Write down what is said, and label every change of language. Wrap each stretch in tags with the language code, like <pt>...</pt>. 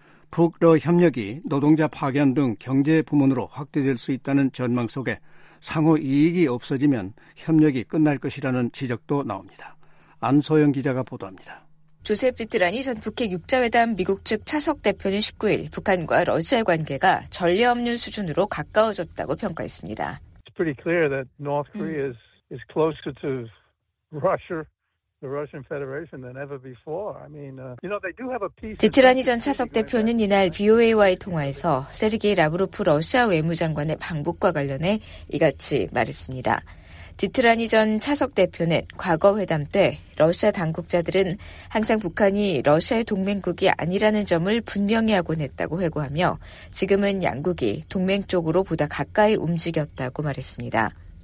<ko>북러 협력이 노동자 파견 등 경제 부문으로 확대될 수 있다는 전망 속에 상호 이익이 없어지면 협력이 끝날 것이라는 지적도 나옵니다. 안소영 기자가 보도합니다. 조셉 비트라니 전 북핵 6자회담 미국 측 차석 대표는 19일 북한과 러시아 관계가 전례 없는 수준으로 가까워졌다고 평가했습니다.</ko> <en>It's pretty clear that North Korea is closer to Russia. The Russian Federation than ever before. I mean, you know, they do have a peace.</en> <ko>디트라니 전 차석 대표는 이날 BOA와의 통화에서 세르게이 라브로프 러시아 외무장관의 방북과 관련해 이같이 말했습니다. 디트라니 전 차석 대표는 과거 회담 때 러시아 당국자들은 항상 북한이 러시아의 동맹국이 아니라는 점을 분명히 하곤 했다고 회고하며 지금은 양국이 동맹 쪽으로 보다 가까이 움직였다고 말했습니다.</ko>